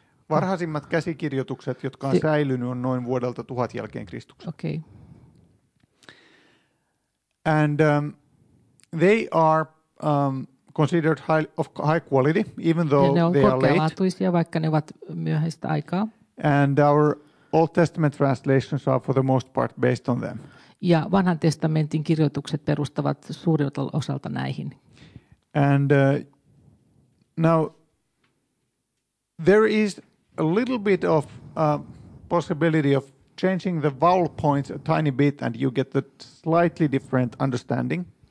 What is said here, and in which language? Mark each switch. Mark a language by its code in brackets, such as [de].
[fi] Varhaisimmat käsikirjoitukset, jotka on säilynyt, on noin vuodelta 1000 jälkeen Kristuksen. [en] Okay. And they are considered high quality, even though they are late. [fi] Ne on korkealaatuisia, vaikka ne ovat myöhäistä aikaa. [en] And our Old Testament translations are for the most part based on them. [fi] Ja Vanhan testamentin kirjoitukset perustavat suurilta osalta näihin. [en] And now there is a little bit of possibility of changing the vowel points a tiny bit and you get the slightly different understanding.